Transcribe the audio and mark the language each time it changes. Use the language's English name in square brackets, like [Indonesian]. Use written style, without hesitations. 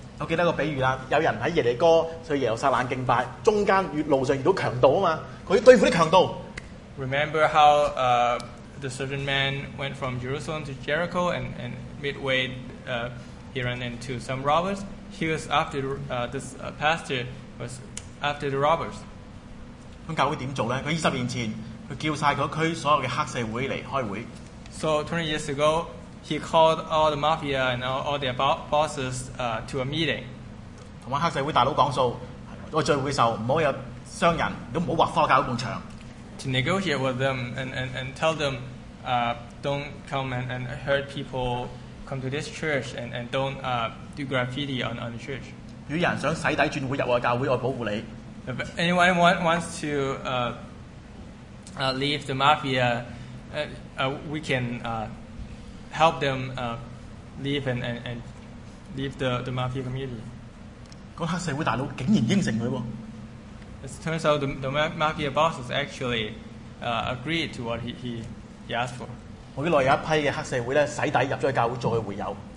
[Cantonese] 我記得個比喻啦，有人喺耶利哥去耶路撒冷敬拜，中間越路上遇到強盜啊嘛，佢要對付啲強盜。 [English] Remember how the certain man went from Jerusalem to Jericho and midway he ran into some robbers. He was after this pastor was after the robbers. [Cantonese] 咁教會點做咧？佢二十年前佢叫曬嗰區所有嘅黑社會嚟開會。 [English] So 20 years ago, he called all the mafia and all their bosses to a meeting. [Cantonese] 同班黑社會大佬講數，個聚會時候唔好有傷人，都唔好劃花搞咁長。 [English] To negotiate with them and tell them, don't come and hurt people, come to this church and don't do graffiti on the church. [Cantonese] 有人想洗底轉會入我教會，我保護你。 [English] If anyone wants to leave the mafia, we can help them leave and leave the mafia community. [Cantonese] 個黑社會大佬竟然應承佢喎。 [English] It turns out the mafia bosses actually agreed to what he asked for. [Cantonese] 我啲內有一批嘅黑社會咧，洗底入咗去教會做佢會友。